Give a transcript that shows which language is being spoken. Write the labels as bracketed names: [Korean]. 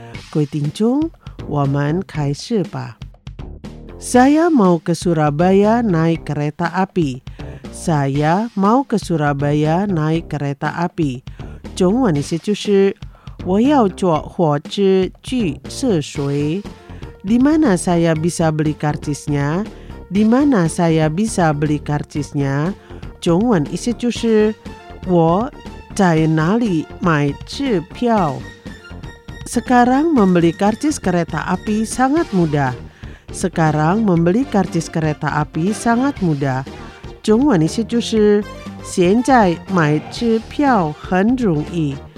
[Chinese] 各位听众，我们开始吧。 [Indonesian] Saya mau ke Surabaya naik kereta api. Saya mau ke Surabaya naik kereta api. [Chinese] 中文的意思就是我要坐火车去涉水。 [Indonesian] Dimana saya bisa beli karcisnya? Dimana saya bisa beli karcisnya? [Chinese] 中文意思就是我在哪里买车票。 [Indonesian] Sekarang membeli karcis kereta api sangat mudah. Sekarang membeli karcis kereta api sangat mudah. [Chinese] 中文意思就是现在买车票很容易。